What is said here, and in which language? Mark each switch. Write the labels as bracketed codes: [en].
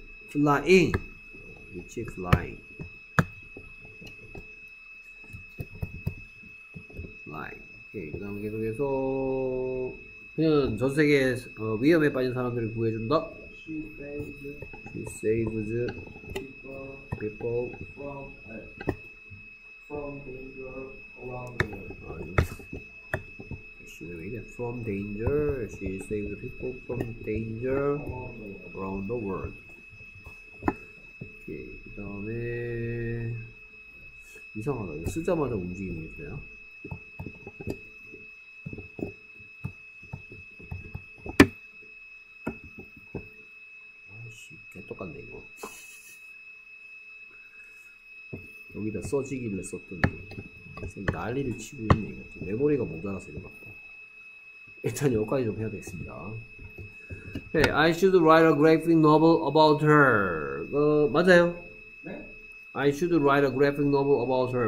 [en] 플라잉 위치 플라잉 플라잉 오케이. [ko] 그 다음 계속해서 그냥 전 세계 위험에 빠진 사람들을 구해준다. [en] She saves people from danger around the world. From danger, she saves people from danger around the world. [ko] 오케이. 그다음에 이상하다. 쓰자마자 움직이는 게 있어요. 아씨, 개 똑같네 이거. 여기다 써지길래 썼던데 지금 난리를 치고 있네 이거. 메모리가 모자라서 이거 같다. 일단 여기까지 좀 해야 되겠습니다. [en] Hey, I should write a graphic novel about her. [ko] 맞아요? 네? [en] I should write a graphic novel about her.